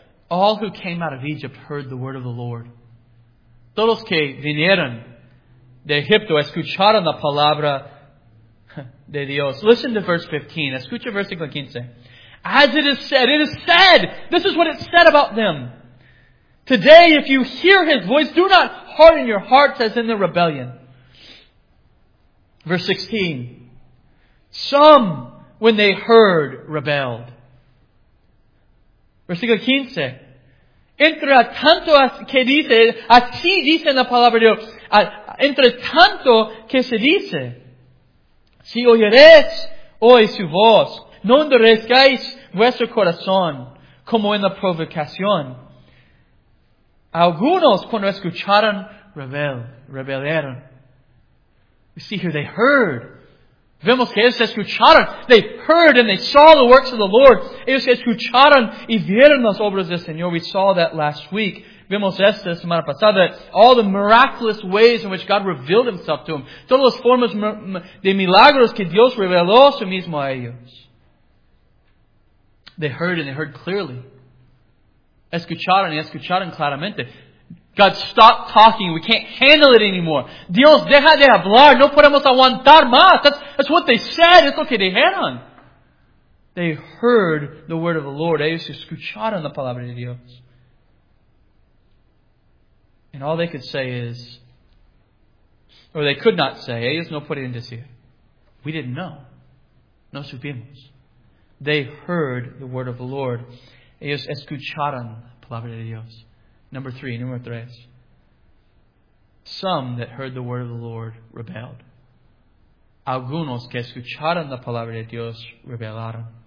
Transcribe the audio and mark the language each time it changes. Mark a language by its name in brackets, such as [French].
[English] All who came out of Egypt heard the word of the Lord. [Spanish] Todos que vinieron de Egipto escucharon la palabra de Dios. [English] Listen to verse 15. [Spanish] Escucha versículo 15. [English] As it is said, this is what it said about them. Today, if you hear his voice, do not harden your hearts as in the rebellion. Verse 16. Some, when they heard, rebelled. [Spanish] Versículo 15. Entre tanto que dice, así dice la palabra de Dios. Entre tanto que se dice, si oyeres hoy su voz, no endurezcáis vuestro corazón como en la provocación. Algunos cuando escucharon, rebelaron. [English] We see here, they heard. [Spanish] Vemos que ellos escucharon. [English] They heard and they saw the works of the Lord. [Spanish] Ellos escucharon y vieron las obras del Señor. [English] We saw that last week. [Spanish] Vemos esta semana pasada. [English] All the miraculous ways in which God revealed himself to them. [Spanish] Todas las formas de milagros que Dios reveló a sí mismo a ellos. [English] They heard and they heard clearly. [Spanish] Escucharon y escucharon claramente. [English] God, stop talking. We can't handle it anymore. [Spanish] Dios, deja de hablar. No podemos aguantar más. [English] That's what they said. It's okay. They had on. They heard the word of the Lord. [Spanish] Ellos escucharon la palabra de Dios. [English] And all they could say is, or they could not say, [Spanish] ellos no pueden decir, [English] we didn't know. [Spanish] No supimos. [English] They heard the word of the Lord. [Spanish] Ellos escucharon la palabra de Dios. Número tres. [English] Some that heard the word of the Lord rebelled. [Spanish] Algunos que escucharon la palabra de Dios rebelaron.